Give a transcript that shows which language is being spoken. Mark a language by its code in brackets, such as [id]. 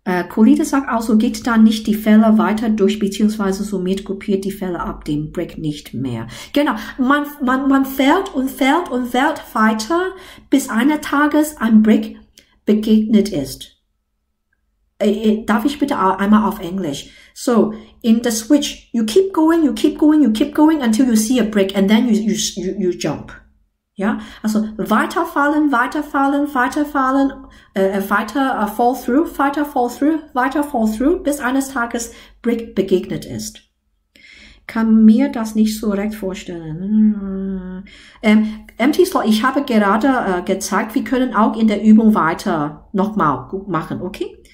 [de] Colita sagt also, geht dann nicht die Fälle weiter durch, beziehungsweise somit kopiert die Fälle ab dem Brick nicht mehr. Genau, man fällt weiter, bis eines Tages ein Brick begegnet ist. Darf ich bitte einmal auf Englisch? [en] So, in the switch, you keep going until you see a brick and then you jump. [de] Ja, also weiter fall through, bis eines Tages Brick begegnet ist. Kann mir das nicht so recht vorstellen. Empty Slot, ich habe gerade gezeigt, wir können auch in der Übung weiter nochmal machen, okay?